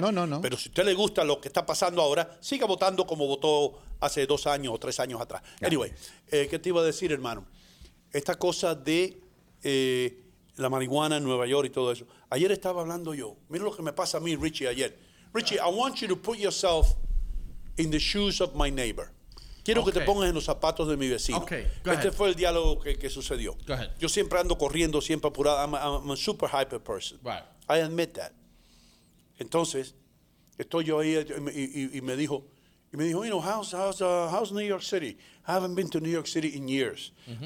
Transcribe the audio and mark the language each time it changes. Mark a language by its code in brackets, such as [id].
[es] No. Pero si a usted le gusta lo que está pasando ahora, siga votando como votó hace 2 años o 3 años atrás. Claro. [en] Anyway, [es] ¿qué te iba a decir, hermano? Esta cosa de... la marihuana en Nueva York y todo eso. Ayer estaba hablando yo. Mira lo que me pasa a mí, Richie, ayer. [en] Richie, I want you to put yourself in the shoes of my neighbor. [es] Quiero que te pongas en los zapatos de mi vecino. Okay. Este fue el diálogo que sucedió. [en] Go ahead. [es] Yo siempre ando corriendo, siempre apurado. [en] I'm a super hyper person. Right. I admit that. [es] Entonces, estoy yo ahí y me dijo, [en] you know, how's New York City? I haven't been to New York City in years. Mm-hmm.